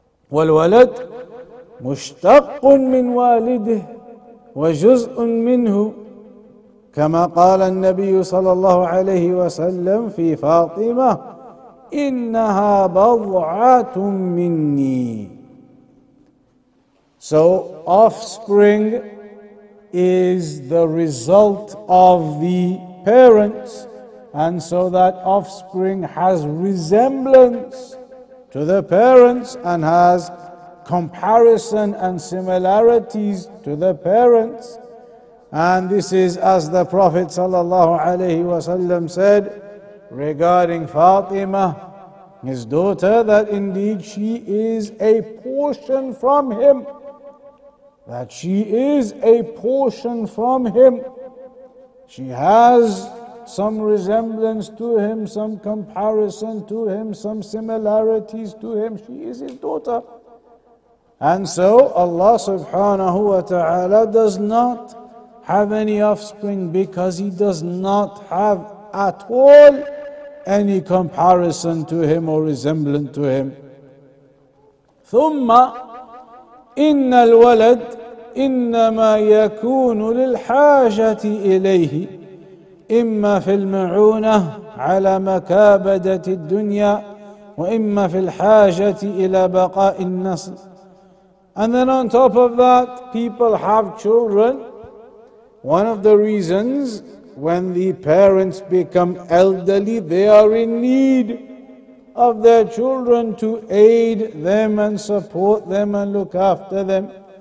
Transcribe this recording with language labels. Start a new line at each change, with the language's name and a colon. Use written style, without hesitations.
Arabic: والولد مشتق من والده وجزء منه كما قال النبي صلى الله عليه وسلم في فاطمة إنها بضعة مني.
English: So offspring is the result of the parents, and so that offspring has resemblance to the parents and has comparison and similarities to the parents. And this is as the Prophet sallallahu alaihi wasallam said regarding Fatima, his daughter, that indeed she is a portion from him, that she is a portion from him. She has some resemblance to him, some comparison to him, some similarities to him. She is his daughter. And so Allah subhanahu wa ta'ala does not have any offspring because He does not have at all any comparison to him or resemblance to him.
Arabic: ثُمَّ إِنَّ الْوَلَدْ إِنَّمَا يَكُونُ لِلْحَاجَةِ إِلَيْهِ إما في المعونة على مكابدة الدنيا وإما في الحاجة إلى بقاء النسل.
English: And then on top of that, people have children. One of the reasons, when the parents become elderly, they are in need of their children to aid them and support them and look after them.